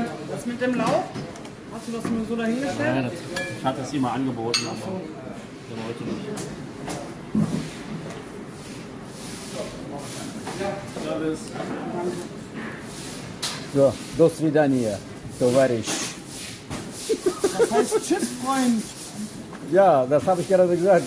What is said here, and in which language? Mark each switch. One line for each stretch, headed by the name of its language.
German: Das mit dem Lauf? Hast du das nur so dahingestellt? Nein, ich hatte es ihm mal angeboten, aber der wollte nicht.
Russian: So, до свидания, товарищ.
German: Das heißt tschüss, Freund. Ja, das habe ich gerade gesagt.